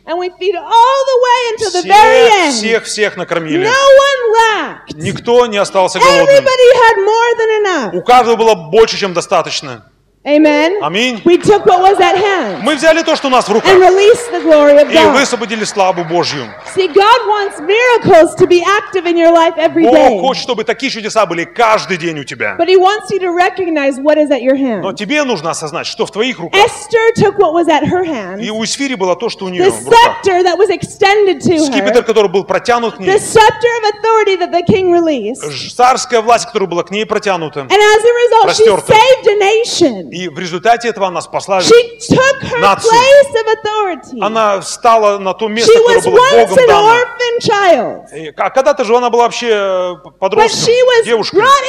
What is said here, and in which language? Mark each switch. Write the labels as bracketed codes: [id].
[en] And we feed all the way until the very end. [ru] Всех накормили. [en] No one lacked. [ru] Никто не остался голодным. [en] Everybody had more than enough. [ru] У каждого было больше, чем достаточно. [en] Amen. [ru] Аминь. [en] We took what was at hand. [ru] Мы взяли то, что у нас в руках. [en] And released the glory of God. [ru] И высвободили славу Божью. [en] See, God wants miracles to be active in your life every day. [ru] Бог хочет, чтобы такие чудеса были каждый день у тебя. [en] But he wants you to recognize what is at your hand. [ru] Но тебе нужно осознать, что в твоих руках. [en] Esther took what was at her hand. [ru] И у Эсфири было то, что у нее в руках. [en] The scepter that was extended to her. [ru] Скипетр, который был протянут к ней. [en] The scepter of authority that the king released. [ru] Царская власть, которая была к ней протянута. [en] And as a result, she saved a nation. [ru] И в результате этого она спасла нацию. Она встала на то место, которое было Богом дано. Когда-то же она была вообще подростком, девушкой.